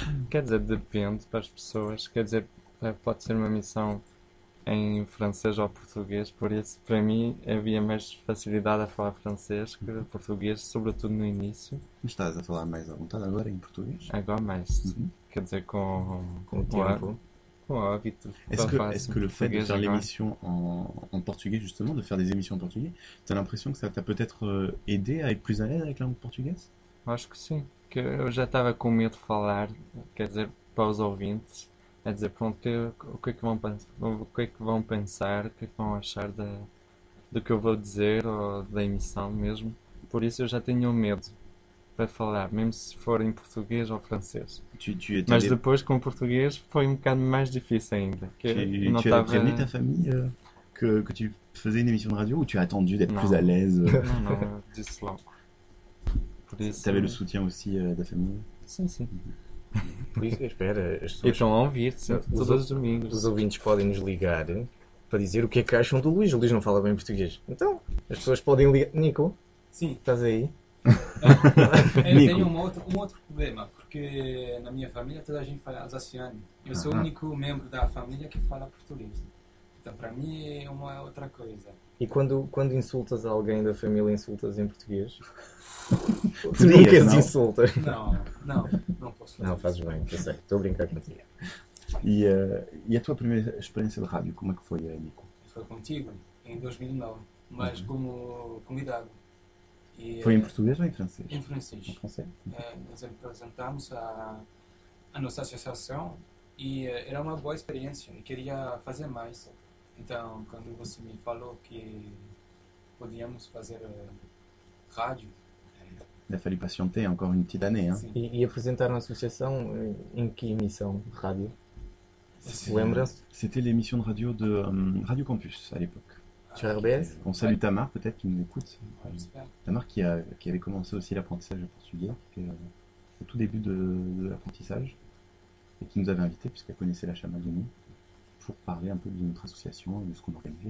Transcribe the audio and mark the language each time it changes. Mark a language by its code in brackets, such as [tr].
[pt] Quer dizer, depende para as pessoas. Quer dizer, pode ser uma missão... em francês ou português, por isso para mim havia mais facilidade a falar francês que português, sobretudo no início. Mas estás a falar mais à vontade agora em português? Agora mais, uhum. Quer dizer, com o tempo. Com o hábito. [fr] Est-ce que le fait de faire l'émission en português, justement, de faire des émissions en português, tu as l'impression que ça t'a peut-être aidé à être plus à l'aise avec la langue portugaise? [pt] Acho que sim, que eu já estava com medo de falar, quer dizer, para os ouvintes. É dizer, pronto, o que é que vão pensar, o que é que vão achar do que eu vou dizer ou da emissão mesmo. por isso eu já tenho medo para falar, mesmo se for em português ou francês. Mas depois com o português foi um bocado mais difícil ainda. [fr] Tu as prévenu ta famille que tu faisais une émission de radio ou tu as attendu d'être plus à l'aise? Non, non, juste là. Tu avais le soutien aussi [pt] da [fr] famille? [pt] Sim, sim. Por isso, espera, estão a ouvir todos os domingos. Os ouvintes podem nos ligar para dizer o que é que acham do Luís. O Luís não fala bem português. Então, as pessoas podem ligar. Nico? Sim. Estás aí? Eu Nico. Tenho um outro problema, porque na minha família toda a gente fala alsaciano. Eu sou o único membro da família que fala português. Então, para mim é uma outra coisa. E quando insultas alguém da família, insultas em português? Tu nunca se insultas. Não posso fazer. Não, fazes bem, eu sei. Estou a brincar contigo. E a tua primeira experiência de rádio, como é que foi, Nico? Foi contigo, em 2009, mas como convidado. Foi em português ou em francês? Em francês. Em francês. Nós apresentamos a nossa associação e era uma boa experiência e queria fazer mais. Então, quando você me falou que podíamos fazer rádio, ainda falei [fr] patienter, encore une petite année. [pt] Hein? E apresentaram a associação em que emissão de rádio? Lembra-se? [fr] C'était l'émission de radio de Radio Campus, à l'époque. Sur RBS? On salue Tamar, peut-être, qui nous écoute. Tamar qui avait commencé aussi l'apprentissage de portugais, au tout début de l'apprentissage, et qui nous avait invités, puisqu'elle connaissait la Chamadonie, pour parler un peu de notre association, de ce qu'on organisait.